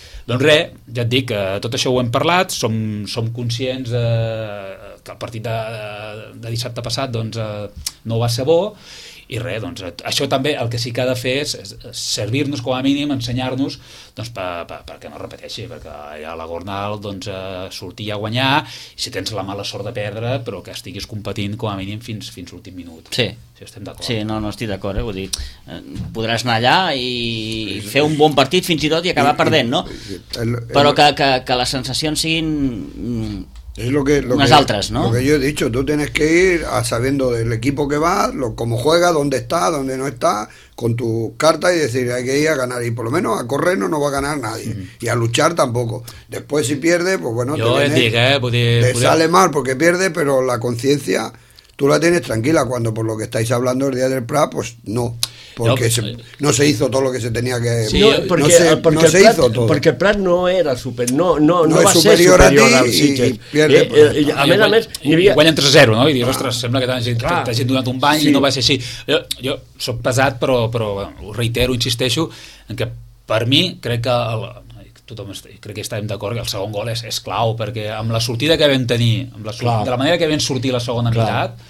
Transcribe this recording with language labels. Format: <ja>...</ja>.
<ca>Doncs res, ja et dic, tot això ho hem parlat, som conscients que el partit de dissabte passat, doncs, no va ser bo, i res, doncs, això també el que sí que ha de fer és servir-nos com a mínim, ensenyar-nos, doncs, perquè no repeteixi, perquè a la Gornal, doncs, sortir a guanyar, si tens la mala sort de perdre, però que estiguis competint com a mínim fins l'últim minut. Sí. Estem d'acord. Sí, no estic d'acord, vull dir, podràs anar allà i fer un bon partit fins i tot i acabar perdent, no? Però que les sensacions siguin unes altres, no?</ca> <es>Lo que yo he dicho, tú tienes que ir a sabiendo del equipo que vas, cómo juega, dónde está, dónde no está, con tu carta y decir, hay que ir a ganar, y por lo menos a correr no va a ganar nadie, y a luchar tampoco. Después si pierde, pues bueno, sale mal porque pierde, pero la conciencia... Tú la tienes tranquila cuando por lo que estáis hablando el día del Prat, pues no, porque no se hizo todo lo que se tenía que... Sí, porque no se hizo todo. Porque Prat no era superior, no va superior a ser superior a ti, al Sitges.</es> <ca>A més, guanyen 3-0, no? I dius, ostres, sembla que t'hagin donat un bany, sí. I no va ser així. Jo soc pesat, però bueno, ho reitero, insisteixo, en que per mi crec que... crec que estàvem d'acord que el segon gol és clau, perquè amb la sortida que vam tenir, de la manera que vam sortir la segona meitat...</ca>